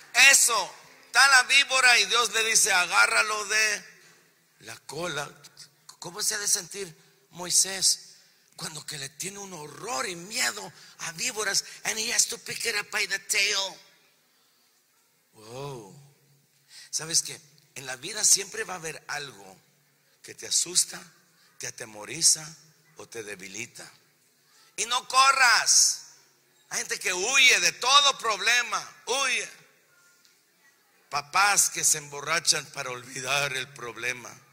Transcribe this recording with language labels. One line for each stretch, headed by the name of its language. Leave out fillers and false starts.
Spanish: Eso, está la víbora y Dios le dice, agárralo de la cola. ¿Cómo se ha de sentir Moisés cuando que le tiene un horror y miedo a víboras?
English: And he has to pick it up by the tail.
Spanish: Wow. ¿Sabes qué? En la vida siempre va a haber algo que te asusta, te atemoriza o te debilita. Y no corras. Hay gente que huye de todo problema, huye. Papás que se emborrachan para olvidar el problema.